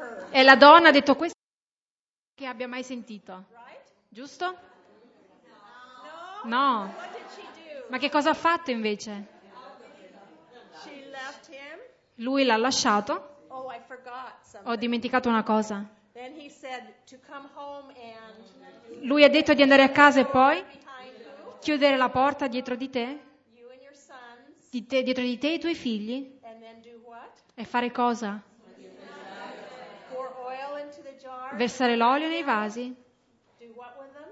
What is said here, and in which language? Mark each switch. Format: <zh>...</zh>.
<it>E la donna ha detto, questa è l'idea che abbia mai sentito, giusto? No. Ma che cosa ha fatto invece?</it> <en>left him?</en> <it>Lui l'ha lasciato.</it> <en>Oh, I forgot something.</en> <it>Ho dimenticato una cosa.</it> <en>Then he said to come home and...</en> <it>Lui ha detto di andare a casa e poi chiudere la porta dietro di te.</it> <en>You and your sons.</en> <it>Di te, dietro di te e i tuoi figli.</it> <en>And then do what?</en> <it>E fare cosa?</it> <en>Pour oil into the jar.</en> <it>Versare l'olio nei vasi.</it> <en>Do what with them?</en>